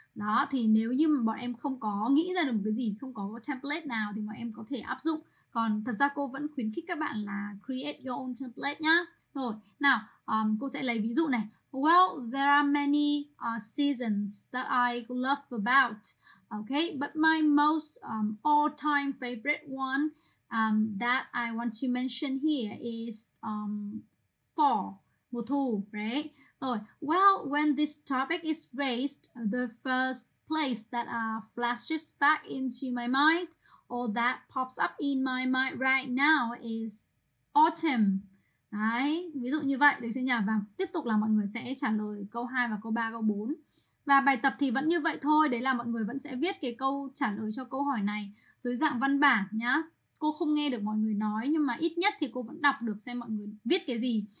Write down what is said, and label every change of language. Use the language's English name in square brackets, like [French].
[Vietnamese] Đó thì nếu như bọn em không có nghĩ ra được một cái gì, không có template nào thì bọn em có thể áp dụng. Còn thật ra cô vẫn khuyến khích các bạn là [English] create your own template [Vietnamese] nhá. Rồi, nào, cô sẽ lấy ví dụ này. [English] Well, there are many seasons that I love about, okay? But my most all-time favorite one that I want to mention here is fall, [Vietnamese] mùa thu, [English] right? Rồi, well, when this topic is raised, the first place that flashes back into my mind or that pops up in my mind right now is autumn. [Vietnamese] Đấy, ví dụ như vậy, được chưa nhỉ? Và tiếp tục là mọi người sẽ trả lời câu 2 và câu 3, câu 4. Và bài tập thì vẫn như vậy thôi. Đấy là mọi người vẫn sẽ viết cái câu trả lời cho câu hỏi này dưới dạng văn bản nhá. Cô không nghe được mọi người nói, nhưng mà ít nhất thì cô vẫn đọc được xem mọi người viết cái gì.